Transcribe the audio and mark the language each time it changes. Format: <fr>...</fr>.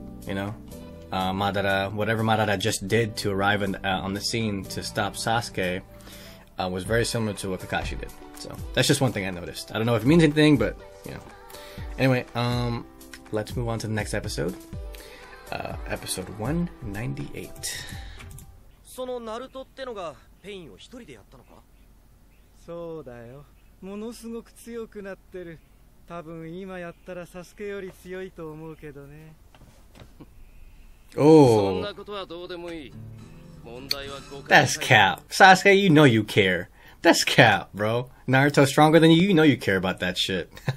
<en>You know? Madara, whatever Madara just did to arrive in, on the scene to stop Sasuke was very similar to what Kakashi did. So, that's just one thing I noticed. I don't know if it means anything, but, you know. Anyway, let's move on to the next episode. Episode 198.</en> <ja>そのナルトってのがペインを一人でやったのか?そうだよ。ものすごく強くなってる。多分今やったらサスケより強いと思うけどね。おお。そんなことはどうでもいい。問題は5回。</ja> <en>That's cap. Sasuke, you know you care. That's cap, bro. Naruto stronger than you, you know you care about that shit.</en>